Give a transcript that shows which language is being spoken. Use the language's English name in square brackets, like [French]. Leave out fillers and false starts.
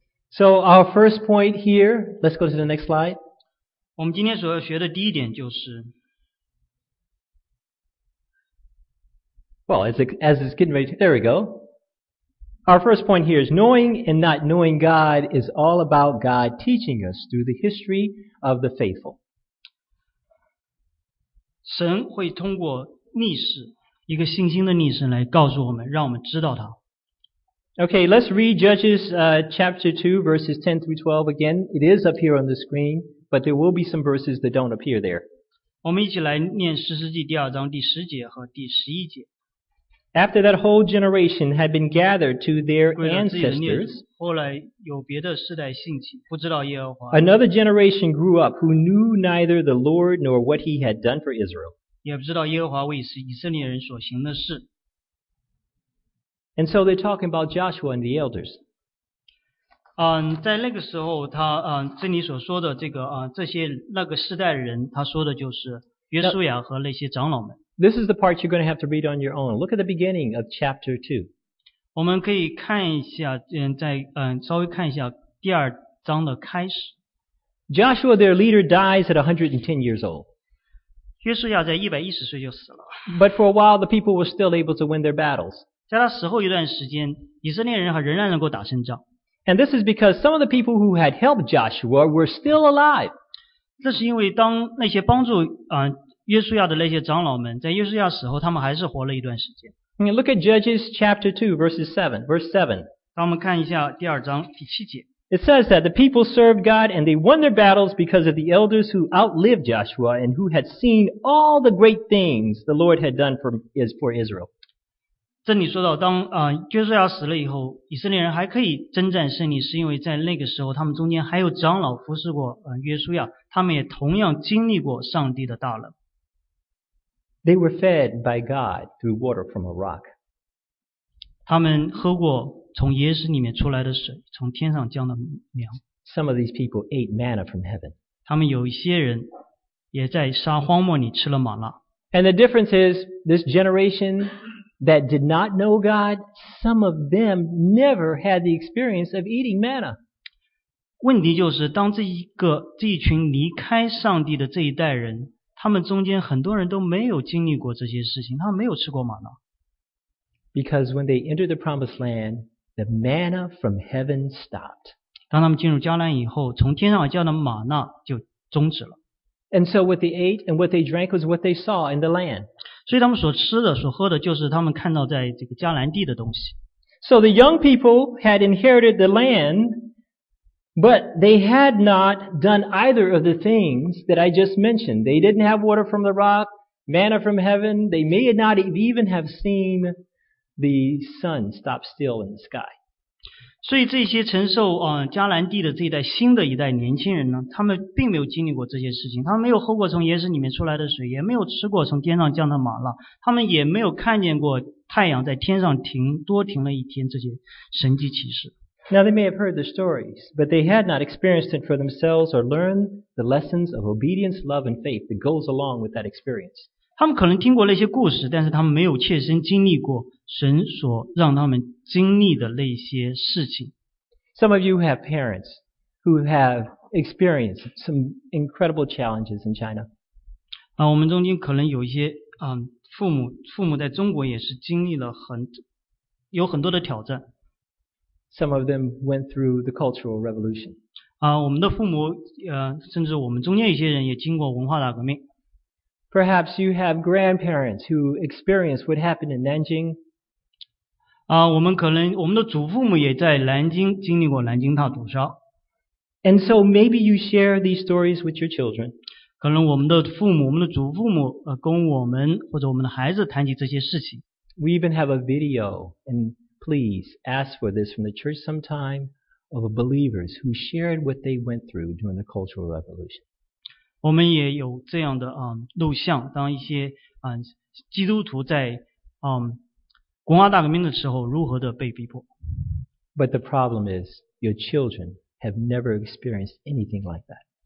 [English] So our first point here, let's go to the next slide. [Chinese] 我们今天所要学的第一点就是 [English] Well, as it's getting ready to, there we go. Our first point here is knowing and not knowing God is all about God teaching us through the history of the faithful. [Chinese] 神会通过历史，一个信心的历史来告诉我们，让我们知道他。 [English] Okay, let's read Judges chapter 2, verses 10 through 12 again. It is up here on the screen, but there will be some verses that don't appear there. [Chinese] 我们一起来念《失司记》第二章第十节和第十一节。 [English] After that whole generation had been gathered to their ancestors, [Chinese] 后来有别的世代兴起，不知道耶和华。 [English] Another generation grew up who knew neither the Lord nor what he had done for Israel. [Chinese] 也不知道耶和华为以色列人所行的事。 [English] And so they're talking about Joshua and the elders. [Chinese] 在那个时候他这里所说的这个这些那个世代人他说的就是约书亚和那些长老们。 [English] Now, this is the part you're going to have to read on your own. Look at the beginning of chapter 2. [Chinese] 我们可以看一下稍微看一下第二章的开始。 [English] Joshua, their leader, dies at 110 years old. [Chinese] 约书亚在110岁就死了。 [English] But for a while, the people were still able to win their battles. [Chinese] 在他死后一段时间，以色列人还仍然能够打胜仗。 [English] And this is because some of the people who had helped Joshua were still alive. [Chinese] 这是因为当那些帮助约书亚的那些长老们，在约书亚死后，他们还是活了一段时间。 [English] Look at Judges chapter 2, verse 7. [Chinese] 让我们看一下第二章第七节。 [English] It says that the people served God and they won their battles because of the elders who outlived Joshua and who had seen all the great things the Lord had done for Israel. [Chinese] 这里说到当约书亚死了以后以色列人还可以征战胜利是因为在那个时候他们中间还有长老服侍过约书亚他们也同样经历过上帝的大能。 [English] They were fed by God through water from a rock. [Chinese] 他们喝过从野石里面出来的水从天上降的粮。 [English] Some of these people ate manna from heaven. [Chinese] 他们有一些人也在沙荒漠里吃了玛纳。 [English] And the difference is this generation... that did not know God, some of them never had the experience of eating manna. [Chinese] 问题就是当这一群离开上帝的这一代人他们中间很多人都没有经历过这些事情他们没有吃过玛纳。 [English] Because when they entered the promised land, the manna from heaven stopped. [Chinese] 当他们进入迦南以后从天上降的玛纳就终止了。 [English] And so what they ate and what they drank was what they saw in the land. [Chinese] 所以他们所吃的所喝的就是他们看到在这个迦南地的东西。 [English] So the young people had inherited the land, but they had not done either of the things that I just mentioned. They didn't have water from the rock, manna from heaven, they may not even have seen the sun stop still in the sky. [Chinese] 所以这些承受迦南地的这一代新的一代年轻人呢他们并没有经历过这些事情他们没有喝过从野石里面出来的水也没有吃过从天上降的玛纳他们也没有看见过太阳在天上停了一天这些神迹奇事。 [English] Now they may have heard the stories, but they had not experienced it for themselves or learned the lessons of obedience, love, and faith that goes along with that experience. [Chinese] 他们可能听过那些故事，但是他们没有切身经历过神所让他们经历的那些事情。 [English] Some of you have parents who have experienced some incredible challenges in China. [Chinese] 我们中间可能有一些父母在中国也是经历了有很多的挑战。 [English] Some of them went through the Cultural Revolution. [Chinese] 我们的父母甚至我们中间一些人也经过文化大革命。 [English] Perhaps you have grandparents who experienced what happened in Nanjing. [Chinese] 我们的祖父母也在南京经历过南京大屠杀。 [English] And so maybe you share these stories with your children. [Chinese] 可能我们的父母，我们的祖父母，跟我们或者我们的孩子谈起这些事情。 [English] We even have a video, and please ask for this from the church sometime, of believers who shared what they went through during the Cultural Revolution. [Chinese] 我们也有这样的录像，当一些基督徒在文化大革命的时候如何的被逼迫。 [English] But the problem is, your children have never experienced anything like that.